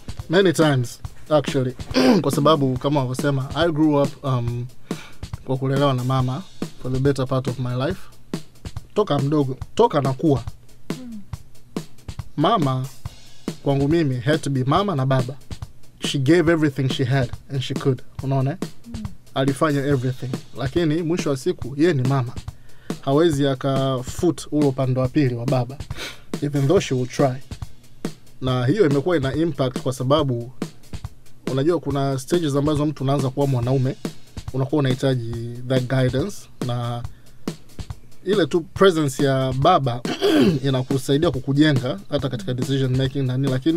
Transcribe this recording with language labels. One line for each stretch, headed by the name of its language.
English: Many times, actually.
Swahili: Kwa sababu, kama wavosema,
English: I grew up
Swahili: kwa kulelewa na mama
English: for the better part of my life.
Swahili: Toka mdogo, toka nakuwa. Mama, kwangu mimi,
English: had to be
Swahili: mama na baba.
English: She gave everything she had and she could.
Swahili: Unaona? Alifanya everything. Lakini mwisho wa siku yeye ni mama. Hawezi akafoot ule upande wa pili wa baba.
English: Even though she will try.
Swahili: Na hiyo imekuwa ina impact kwa sababu unajua kuna stages ambazo mtu anaanza kuwa mwanaume, unakuwa unahitaji that guidance, na ile tu presence ya baba inakusaidia kukujenga hata katika decision making na nini.